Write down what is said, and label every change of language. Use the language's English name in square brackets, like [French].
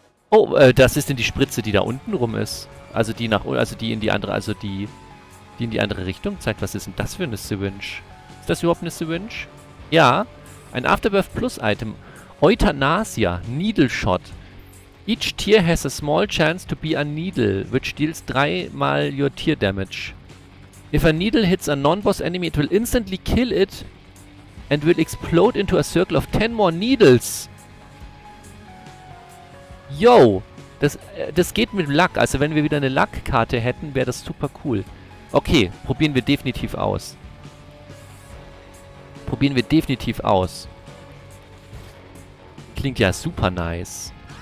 [German] Oh, das ist denn die Spritze, die da unten rum ist. Also die nach, also die in die andere, also die, die in die andere Richtung zeigt. Was ist denn das für eine Syringe? Ist das überhaupt eine Syringe? Ja, ein Afterbirth Plus Item. [English] Euthanasia, Needle Shot. Each tier has a small chance to be a needle, which deals 3x your tier damage. If a needle hits a non-boss enemy, it will instantly kill it and will explode into a circle of 10 more needles. [German] Yo, das geht mit Luck. Also wenn wir wieder eine Luck-Karte hätten, wäre das super cool. Okay, probieren wir definitiv aus. Probieren wir definitiv aus. Klingt ja super nice.